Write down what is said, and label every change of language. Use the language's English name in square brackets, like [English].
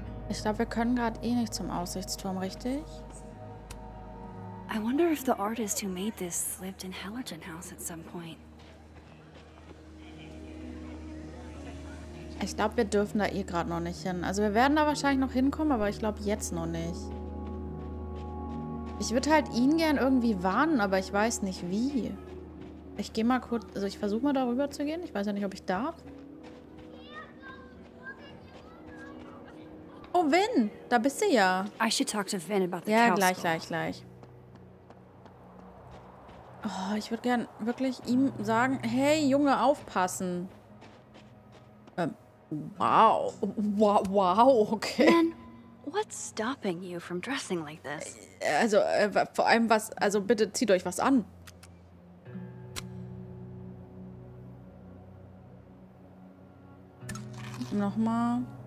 [German] Ich glaube, wir können gerade eh nicht zum Aussichtsturm, richtig? [English] I wonder if the artist who made this lived in Halogen House at some point. [German] Ich glaube, wir dürfen da eh gerade noch nicht hin. Also wir werden da wahrscheinlich noch hinkommen, aber ich glaube jetzt noch nicht. Ich würde halt ihn gern irgendwie warnen, aber ich weiß nicht wie. Ich gehe mal kurz, also ich versuche mal darüber zu gehen. Ich weiß ja nicht, ob ich darf. Oh, Vin, da bist du ja. [English] I should talk to Vin about the [German] Ja, gleich. Oh, ich würde gern wirklich ihm sagen, hey Junge, aufpassen. Wow, okay. [English] Then, what's stopping you from dressing like this? [German] Also, vor allem was, also bitte zieht euch was an. Nochmal.